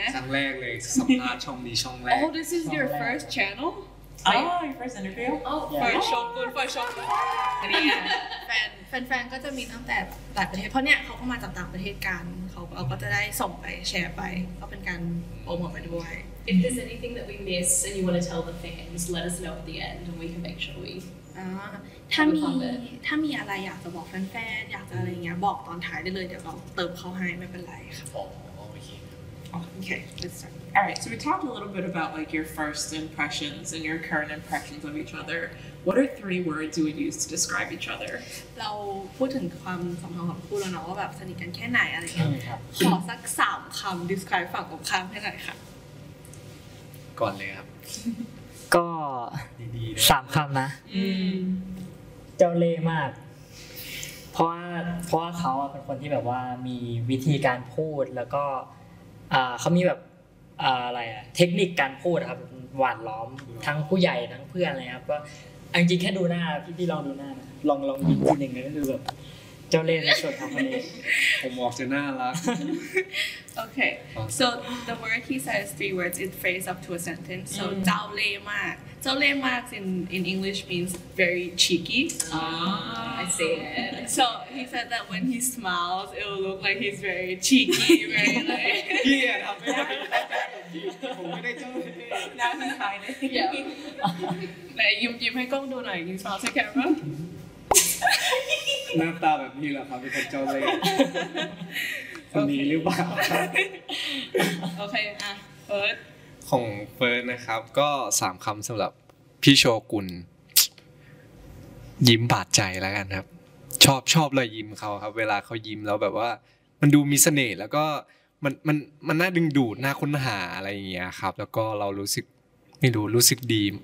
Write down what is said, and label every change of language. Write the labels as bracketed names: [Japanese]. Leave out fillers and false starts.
[Thai] ครั้งแรกเลยสัมภาษณ์ช่องนี้ช่องแรก [English] Oh this is your first channel your first interview first show good first show [Thai] นี่แฟนๆก็จะมีตั้งแต่หลายประเทศเพราะเนี้ยเขาก็มาจากต่างประเทศกันเราก็จะได้ส่งไปแชร์ไปก็เป็นการโปรโมทไปด้วย [English] If there's anything that we miss and you want to tell the fans let us know at the end and we can make sure we [Thai] ถ้ามีอะไรอยากจะบอกแฟนๆอยากจะอะไรเงี้ยบอกตอนท้ายได้เลยเดี๋ยวเราเติมเขาให้ไม่เป็นไรค่ะ [English] Okay, let's start. All right, so we talked a little bit about like your first impressions and your current impressions of each other. What are three words you would use to describe each other? [Thai] เราพูดถึงความสัมพันธ์ของคู่เราเนาะว่าแบบสนิทกันแค่ไหนอะไรอย่างเงี้ยขอสักสามคำ describe ฝั่งตรงข้ามให้หน่อยค่ะ ก่อนเลยครับ ก็สามคำนะ เ จ้าเล่ห์มากเพราะว่าเขาเป็นคนที่แบบว่ามีวิธีการพูดแล้วก็เขามีแบบอะไรอะเทคนิคการพูดครับหวานล้อมทั้งผู้ใหญ่ทั้งเพื่อนเลยครับก็จริงๆแค่ดูหน้าพี่ลองดูหน้านะลองยิ้มทีนึงแล้วก็ดูแบบเจ้าเล่ห์ในส่วนทางนี้ผมออกจะน่ารัก [English] โอเค so the word he says three words it phrase up to a sentence so [Thai] เจ้าเล่ห์มากเจ้าเล่ห์มาก [English] in English means very cheeky I see it soHe said that when he smiles, it will look like he's very cheeky, very like. Yeah, I'm very happy. Now he's hiding. Yeah. Now, give me Gong Dunai, you smile to camera. [Thai] หน้าตาแบบนี้แหละครับพี่เจ้าเล่ห์คนนี้หรือเปล่า โอเคอ่ะเฟิร์ส ของเฟิร์สนะครับก็สามคำสำหรับพี่โชกุนยิ้มบาดใจแล้วกันครับชอบรอยยิ้มเขาครับเวลาเขายิ้มแล้วแบบว่ามันดูมีเสน่ห์แล้วก็มันน่าดึงดูดน่าค้นหาอะไรอย่างเงี้ยครับแล้วก็เรารู้สึกไม่รู้รู้สึกดี